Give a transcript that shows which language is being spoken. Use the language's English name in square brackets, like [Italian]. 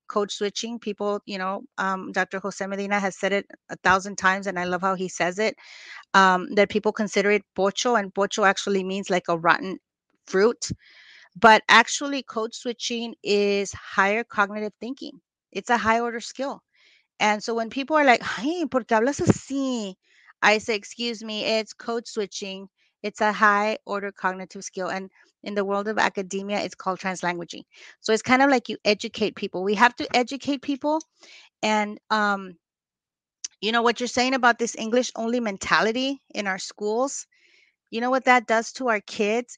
[English] Code switching, people, you know, Dr. Jose Medina has said it 1,000 times, and I love how he says it, that people consider it bocho, and bocho actually means like a rotten fruit. But actually, code switching is higher cognitive thinking. It's a high order skill. And so when people are like, hey, [Spanish] ¿por qué hablas así? [English] I say, excuse me, it's code switching. It's a high order cognitive skill. And in the world of academia, it's called translanguaging. So it's kind of like you educate people. We have to educate people. And, you know, what you're saying about this English only mentality in our schools, you know what that does to our kids?